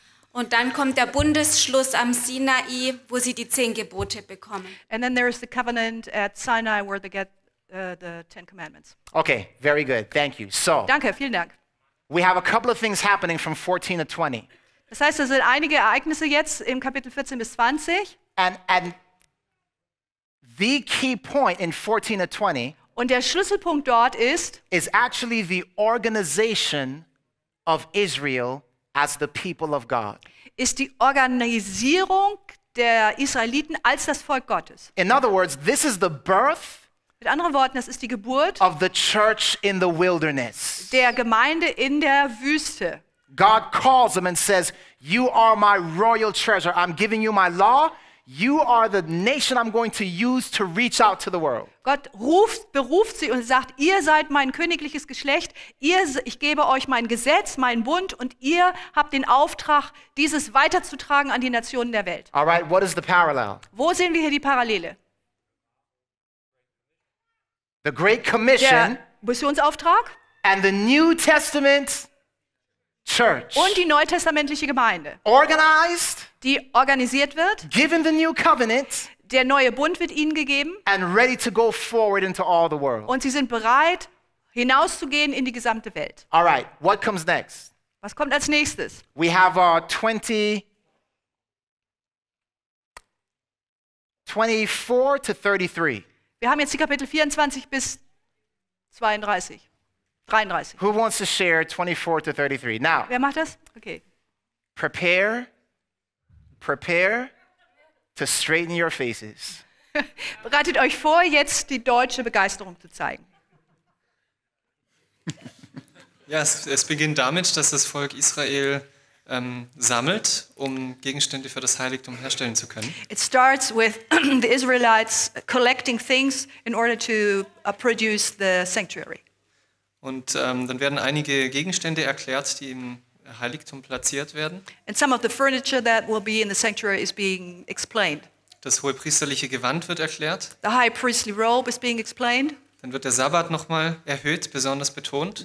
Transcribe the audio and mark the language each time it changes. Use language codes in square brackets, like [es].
[de] Und dann kommt der Bundesschluss am Sinai, wo sie die 10 Gebote bekommen. [en] And then there is the covenant at Sinai where they get the 10 commandments. Okay, very good. Thank you. So. [de] Danke, vielen Dank. [en] We have a couple of things happening from 14 to 20. [de] Das heißt, es sind einige Ereignisse jetzt im Kapitel 14 bis 20. [en] And the key point in 14 to 20, [de] und der Schlüsselpunkt dort ist, [en] is actually the organization of Israel as the people of God. [de] Ist die Organisierung der Israeliten als das Volk Gottes. [en] In other words, this is the birth. [de] Mit anderen Worten, das ist die Geburt [en] of the church in the wilderness. [de] Der Gemeinde in der Wüste. [en] God calls them and says, "You are my royal treasure. I'm giving you my law. You are the nation I'm going to use to reach out to the world." [de] Gott ruft, beruft sie und sagt, ihr seid mein königliches Geschlecht, ich gebe euch mein Gesetz, meinen Bund und ihr habt den Auftrag, dieses weiterzutragen an die Nationen der Welt. [en] All right, what is the parallel? [de] Wo sehen wir hier die Parallele? [en] The Great Commission, [de] der Missionsauftrag, [en] and the New Testament Church. [de] Und die neutestamentliche Gemeinde. [en] Organized, [de] die organisiert wird. [en] Given the new covenant, [de] der neue Bund wird ihnen gegeben. [en] And ready to go forward into all the world. [de] Und sie sind bereit, hinauszugehen in die gesamte Welt. [en] All right, what comes next? [de] Was kommt als nächstes? [en] We have our 24 to 33. [de] Wir haben jetzt die Kapitel 24 bis 32. 33. [en] Who wants to share 24 to 33? Now. [de] Wer macht das? Okay. [en] Prepare to straighten your faces. [de] Bereitet euch vor, jetzt die deutsche Begeisterung zu zeigen. Ja, es beginnt damit, dass das Volk Israel sammelt, um Gegenstände für das Heiligtum herstellen zu können. [en] It starts with the Israelites collecting things in order to produce the sanctuary. [de] Und dann werden einige Gegenstände erklärt, die im Heiligtum platziert werden. [en] And some of the furniture that will be in the sanctuary is being explained. [de] Das hohe priesterliche Gewand wird erklärt. [en] The high priestly robe is being explained. [de] Dann wird der Sabbat nochmal erhöht, besonders betont.